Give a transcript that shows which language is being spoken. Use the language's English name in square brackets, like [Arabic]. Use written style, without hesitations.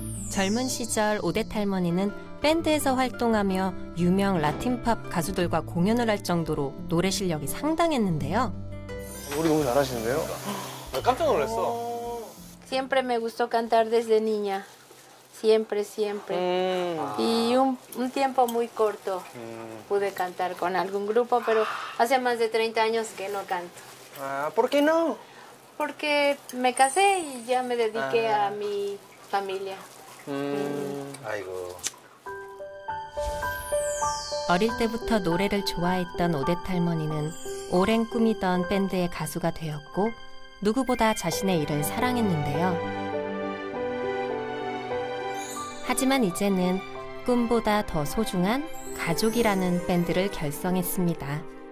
[Korean] 젊은 시절 오데트 할머니는 밴드에서 활동하며 유명 라틴팝 가수들과 공연을 할 정도로 노래 실력이 상당했는데요. 노래 너무 잘하시는데요? 나 깜짝 놀랐어. [Spanish] Siempre me gustó cantar desde niña. Siempre, siempre. Y un tiempo muy corto pude cantar con algún grupo, pero hace más de 30 años que no canto. Ah, ¿por qué no? Porque me casé y ya me dediqué a mi familia. [Korean] Aigo. 어릴 때부터 노래를 좋아했던 오데트 할머니는 오랜 꿈이던 밴드의 가수가 되었고 누구보다 자신의 일을 사랑했는데요. 하지만 이제는 꿈보다 더 소중한 가족이라는 밴드를 결성했습니다.